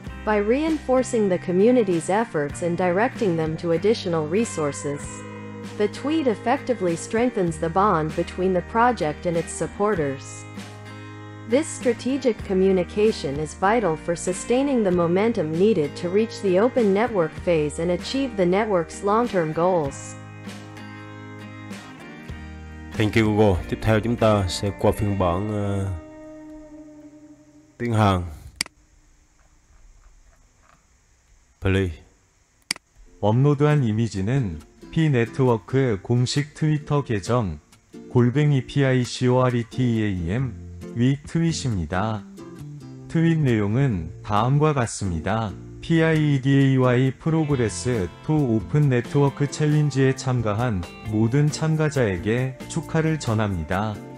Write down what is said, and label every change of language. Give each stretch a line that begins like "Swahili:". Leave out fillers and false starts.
English: By reinforcing the community's efforts and directing them to additional resources, the tweet effectively strengthens the bond between the project and its supporters. This strategic communication is vital for sustaining the momentum needed to reach the open network phase and achieve the network's long-term goals. Thank you, Google.
Vietnamese: Tiếp theo chúng ta sẽ qua phiên bản tiếng Hàn.
English: Play.
Korean: 업로드한 이미지는 P네트워크의 공식 트위터 계정 골뱅이 PICORETEAM 위 트윗입니다. 트윗 내용은 다음과 같습니다. PIEDAY 프로그레스 투 오픈 네트워크 챌린지에 참가한 모든 참가자에게 축하를 전합니다.